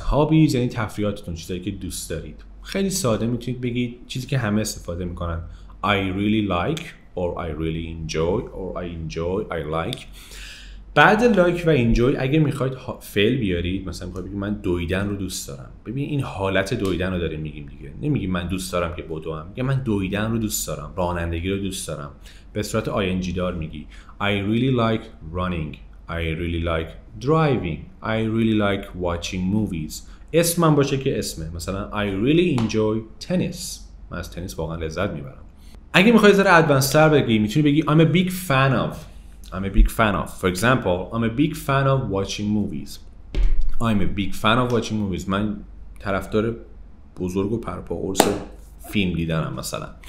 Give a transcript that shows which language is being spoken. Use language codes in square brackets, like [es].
[fa] Hobbies یعنی تفریحاتتون, چیزایی که دوست دارید. خیلی ساده میتونید بگید, چیزی که همه استفاده میکنن, [en] I really like or I really enjoy or I enjoy, I like. [fa] بعد لایک و انجوی اگه میخواید فعل بیارید, مثلا میخواید بگید من دویدن رو دوست دارم. ببین این حالت دویدن رو داریم میگیم دیگه, نمیگیم من دوست دارم که بدوم, میگم من دویدن رو دوست دارم, رانندگی رو دوست دارم. به صورت ing دار میگی, [en] I really like running, I really like driving, I really like watching movies. [fa] اسمم باشه که اسمه, مثلا [en] I really enjoy tennis, [fa] من از تنیس واقعا لذت میبرم. اگه میخواید ذره ادوانس تر بگی, میتونی بگی [en] I'm a big fan of, [fa] I'm a big fan of. [en] For example, I'm a big fan of watching movies. I'm a big fan of watching movies. [fa] من طرفدار بزرگ و پرپاقرص فیلم دیدنم مثلا.